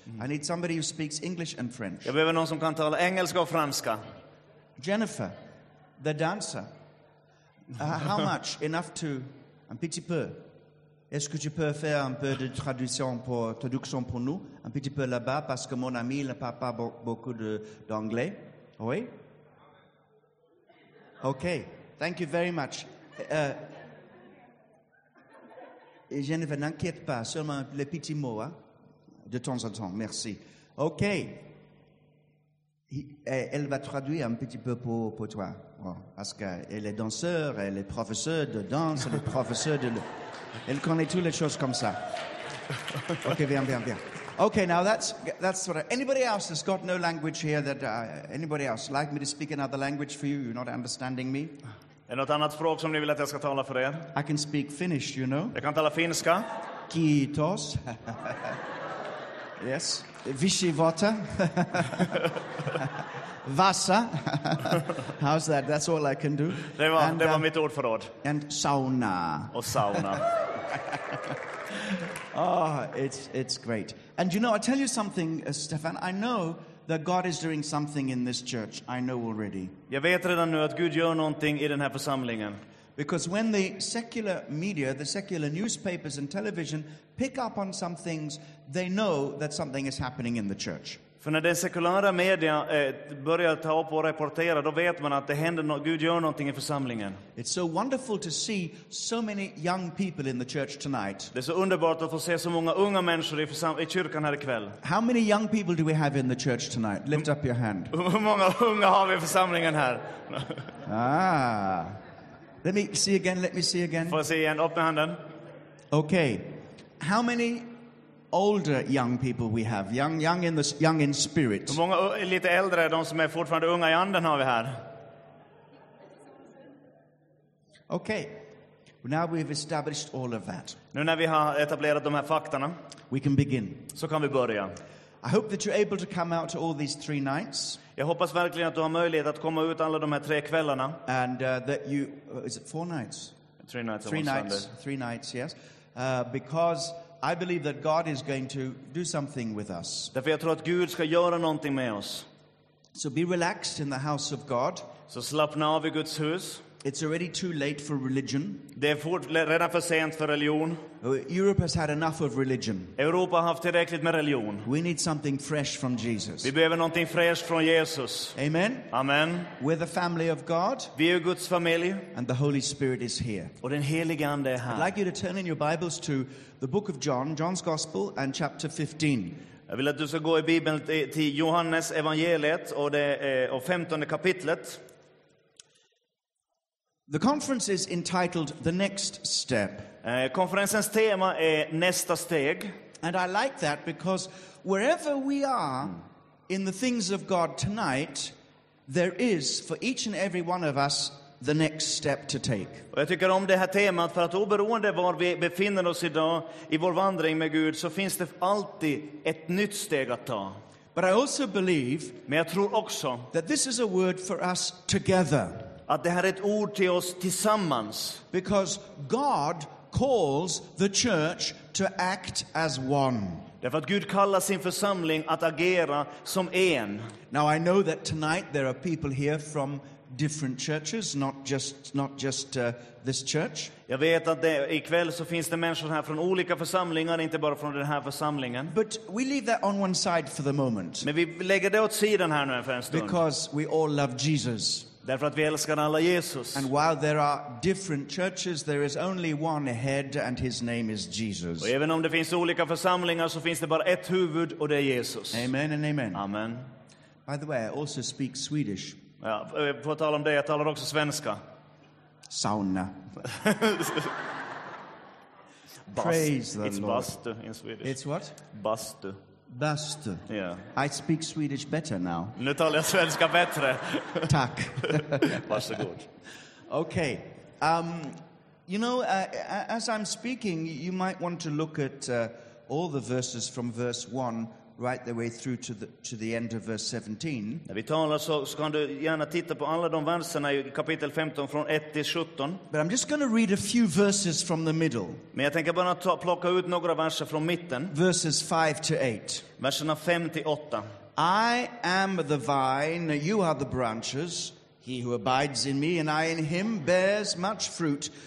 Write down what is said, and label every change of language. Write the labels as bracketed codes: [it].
[en] Mm. I need somebody who speaks English and French. [sv] Jag behöver någon som kan tala engelska och franska. [en] Jennifer, the dancer. How much? Enough to... [fr] Un petit peu. Est-ce que tu peux faire un peu de traduction pour nous? Un petit peu là-bas, parce que mon ami ne parle pas beaucoup d'anglais. Oui? Okay, thank you very much. Jennifer, n'inquiète pas, seulement les petits mots, hein, de temps en temps, merci. Okay, Elle va traduire un petit peu pour toi. Bon, parce qu'elle est danseuse, elle est professeure de danse, elle est professeure de... Elle connaît toutes les choses comme ça. Ok, viens, viens, viens. [en] Ok, now that's what I... Anybody else has got no language here that... anybody else like me to speak another language for you? You're not understanding me? [sv] Är något annat språk som ni vill att jag ska tala för er? [en] I can speak Finnish, you know. [sv] Jag kan tala finska. [fi] Kiitos. Yes. Vishivota. [en] Vasa. How's that? That's all I can do. [sv] Det var mitt ord för ord. [en] And sauna. [sv] Och sauna. [en] Oh, it's great. And you know, I tell you something, Stefan. I know that God is doing something in this church. I know already. [sv] Jag vet redan nu att Gud gör någonting i den här församlingen. [en] Because when the secular media, the secular newspapers and television pick up on some things, they know that something is happening in the church. [sv] För när den sekulära media börjar ta upp och rapportera, då vet man att det händer något, Gud gör någonting i församlingen. [en] It's so wonderful to see so many young people in the church tonight. [sv] Det är så underbart att få se så många unga människor i kyrkan här ikväll. [en] How many young people do we have in the church tonight? Lift up your hand. [sv] Hur många unga har vi i församlingen här? [en] Ah. Let me see again. [sv] Får jag se igen, öppna handen. [en] Okay. How many older young people we have? Young in spirit. [sv] Hur många lite äldre de som är fortfarande unga i anden har vi här? [en] Okay. Now we've established all of that. [sv] Nu när vi har etablerat de här faktorna, [en] we can begin. [sv] Så kan vi börja. [en] I hope that you're able to come out to all these three nights. [sv] Jag hoppas verkligen att du har möjlighet att komma ut alla de här tre kvällarna. [en] And that you is it four nights? Three nights, yes. Because I believe that God is going to do something with us. [sv] Därför jag tror att Gud ska göra någonting med oss. [en] So be relaxed in the house of God. [sv] Så slappna av i Guds hus. [en] It's already too late for religion. [sv] Det är redan för sent för religion. [en] Europe has had enough of religion. [sv] Europa har haft tillräckligt med religion. [en] We need something fresh from Jesus. [sv] Vi behöver någonting fräscht från Jesus. [en] Amen. [sv] Amen. [en] We're the family of God. [sv] Vi är Guds familj. [en] And the Holy Spirit is here. [sv] Och den helige ande är här. [en] I'd like you to turn in your Bibles to the book of John, John's Gospel, and chapter 15. [sv] Jag vill att du ska gå i Bibeln till Johannes evangeliet och 15 kapitlet. [en] The conference is entitled The Next Step. [sv] Konferensens tema är nästa steg. [en] And I like that because wherever we are in the things of God tonight, there is for each and every one of us the next step to take. [sv] Och jag tycker om det här temat för att oberoende var vi befinner oss idag i vår vandring med Gud så finns det alltid ett nytt steg att ta. [en] But I also believe, [sv] men jag tror också, [en] that this is a word for us together. [sv] Att det här är ett ord till oss tillsammans. [en] Because God calls the church to act as one. [sv] Därför att Gud kallar sin församling att agera som en. [en] Now I know that tonight there are people here from different churches, not just this church. [sv] Jag vet att det, ikväll så finns det människor här från olika församlingar, inte bara från den här församlingen. [en] But we leave that on one side for the moment. [sv] Men vi lägger det åt sidan här nu för en stund. [en] Because we all love Jesus. [sv] Därför att vi älskar alla Jesus. [en] And while there are different churches, there is only one head, and his name is Jesus. [sv] Och även om det finns olika församlingar, så finns det bara ett huvud, och det är Jesus. [en] Amen and amen. [sv] Amen. [en] By the way, I also speak Swedish. [sv] Ja, för att tala om det, jag talar också svenska. [en] Sauna. Praise the it's Lord. It's bastu in Swedish. It's what? Bastu. Best. Yeah. I speak Swedish better now. [sv] Nu talar jag svenska bättre. Tack. Varsågod. [en] Okay. You know, as I'm speaking, you might want to look at all the verses from verse 1 right the way through to the end of verse 17. [sv] När vi talar så ska du gärna titta på alla de verserna i kapitel 15 från 1 till 17. [en] But I'm just going to read a few verses from the middle. [sv] Men jag tänker bara plocka ut några verser från mitten. [en] Verses 5 to 8. [sv] Verserna 5 till 8. [en] I am the vine, you are the branches. He who abides in me and I in him bears much fruit.